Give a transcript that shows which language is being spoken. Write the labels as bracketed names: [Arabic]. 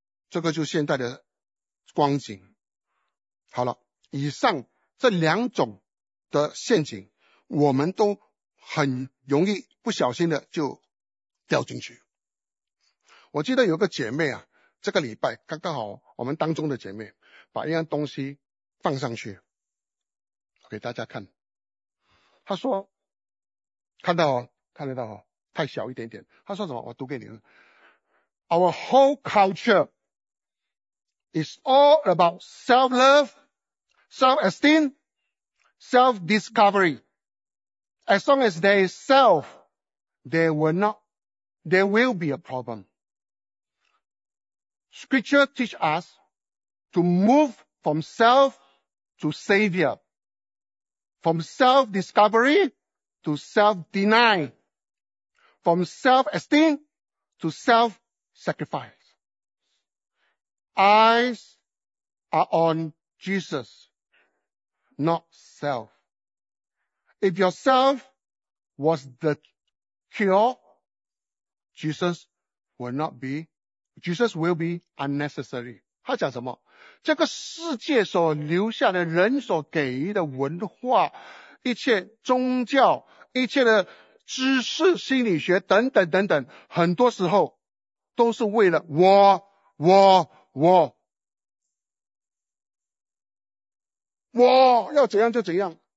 [Chinese] 这个就是现代的光景。好了，以上这两种的陷阱，我们都很容易不小心的就掉进去。我记得有个姐妹啊，这个礼拜刚刚好，我们当中的姐妹把一样东西放上去，我给大家看。她说，看到看得到，太小一点点。她说什么？我读给你。 [English] Our whole culture is all about self-love, self-esteem, self-discovery. As long as there is self, there will be a problem. Scripture teach us to move from self to savior, from self-discovery to self-deny, from self-esteem to self-sacrifice. Eyes are on Jesus, not self. If yourself was the cure, Jesus will be unnecessary. [Chinese] 他讲什么？这个世界所留下的人所给予的文化，一切宗教，一切的知识、心理学等等等等，很多时候都是为了我，我要怎样就怎样。